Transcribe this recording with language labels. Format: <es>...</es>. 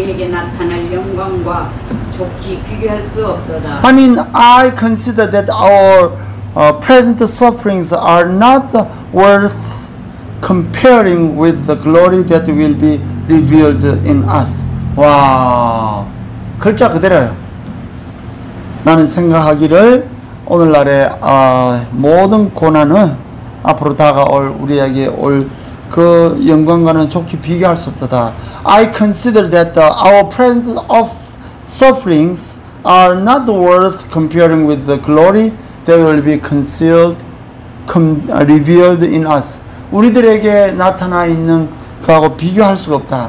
<ko>나타날 영광과 좋게 비교할 수 없도다.</ko> <en>I mean, I consider that our present sufferings are not worth comparing with the glory that will be revealed in us.</en> <ko>와, 글자 그대로요. 나는 생각하기를 오늘날의 모든 고난은 앞으로 다가올 우리에게 올 그 영광과는 좋게 비교할 수 없다.</ko> <en>I consider that our present of sufferings are not worth comparing with the glory that will be concealed, revealed in us.</en> <ko>우리들에게 나타나 있는 그하고 비교할 수가 없다.</ko>